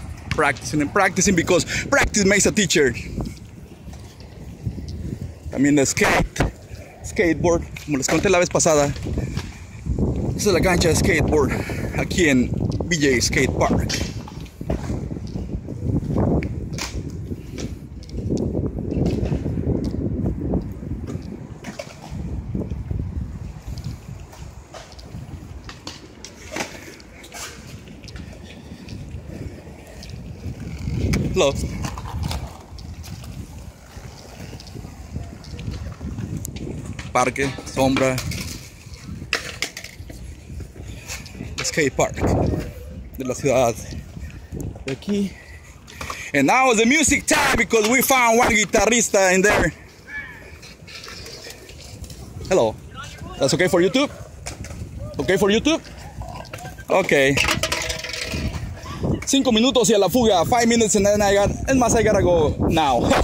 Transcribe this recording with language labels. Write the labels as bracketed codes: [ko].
[en] Practicing and practicing because practice makes a teacher. [es] También skateboard, como les conté la vez pasada. Esta es la cancha de skateboard aquí en BJ Skate Park. Parque, sombra, skate park de la ciudad de aquí. [en] And now is the music time because we found one guitarrista in there. Hello. That's okay for YouTube? Okay for YouTube? Okay. [es] 5 minutos y a la fuga. [en] 5 minutes and then I gotta go now.